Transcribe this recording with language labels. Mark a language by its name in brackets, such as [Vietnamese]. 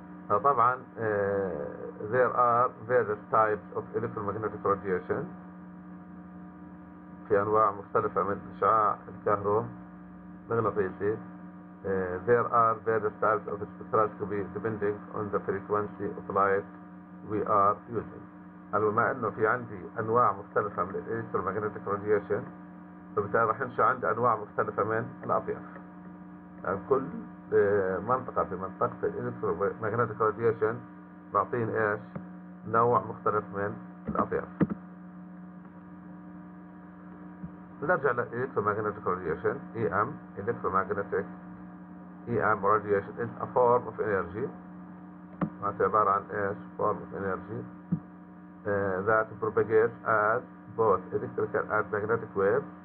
[Arabic] طبعا [English] there are various types of electromagnetic radiation، [Arabic] في أنواع مختلفة من الإشعاع الكهرومغناطيسي. [English] There are various types of spectroscopy depending on the frequency of light we are using. [Arabic] قالوا ما إنه في عندي أنواع مختلفة من الإلكترومغناطيسية radiation، فبالتالي راح نشوف عندي أنواع مختلفة من الأطياف. يعني كل منطقة في منطقة الإلكترومغناطيسية radiation بعطين إيش؟ نوع مختلف من الأطياف. نرجع للإلكترومغناطيسية radiation EM. [English] electromagnetic EM radiation is a form of energy. [Arabic] معناته عبارة عن إيش؟ [English] form of energy that propagates as both electrical and magnetic waves.